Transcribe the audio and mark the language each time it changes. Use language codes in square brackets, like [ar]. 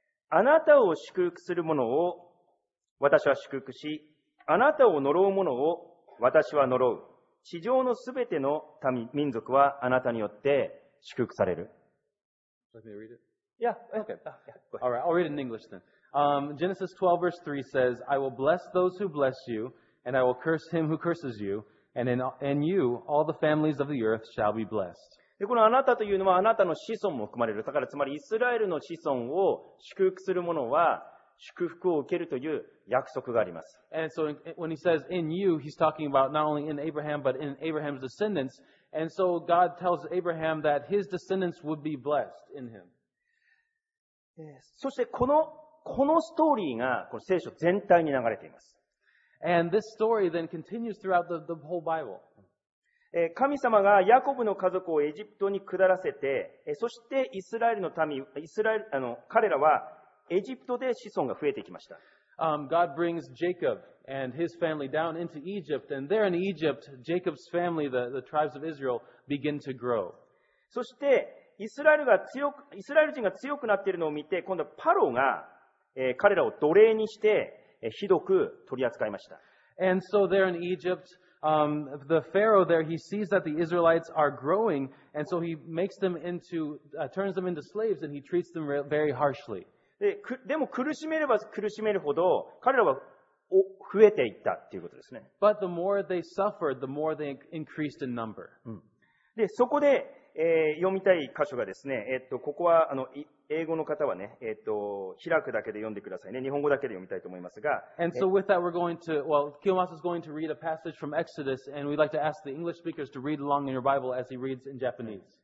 [ja] あなたを祝福する者を私は祝福し、あなたを呪う者を私は呪う。地上のすべての民族はあなたによって祝福される。 [en] Let me read it. Yeah, okay. All right, I'll read it in English then. Genesis 12 verse 3 says, I will bless those who bless you, and I will curse him who curses you, and you, all the families of the earth shall be blessed. [ja] で、このあなたというのはあなたの子孫も含まれる。だからつまりイスラエルの子孫を祝福する者は祝福を受けるという約束があります。 [en] And so when he says in you, he's talking about not only in Abraham, but in Abraham's descendants. And so God tells Abraham that his descendants would be blessed in him. [ja] そしてこのストーリーがこの聖書全体に流れています。 [en] And this story then continues throughout the whole Bible. [ja] 神様がヤコブの家族をエジプトに下らせて、そしてイスラエルの民、イスラエル、彼らはエジプトで子孫が増えてきました。 [en] God brings Jacob and his family down into Egypt, and there in Egypt, Jacob's family, the tribes of Israel, begin to grow. [ja] そして、イスラエル人が強くなっているのを見て、今度はパロが、彼らを奴隷にして、ひどく取り扱いました。 [en] And so there in Egypt, the Pharaoh there, he sees that the Israelites are growing, and so he makes them into, turns them into slaves, and he treats them very harshly. [ja] でも苦しめれば苦しめるほど、彼らは増えていったっていうことですね。 [en] But the more they suffered, the more they increased in number. [ja] で、そこで、読みたい箇所がですね、ここは、英語の方はね、開くだけで読んでくださいね。日本語だけで読みたいと思いますが。 [en] And so with that we're going to, well, Kiyomas is going to read a passage from Exodus, and we'd like to ask the English speakers to read along in your Bible as he reads in Japanese.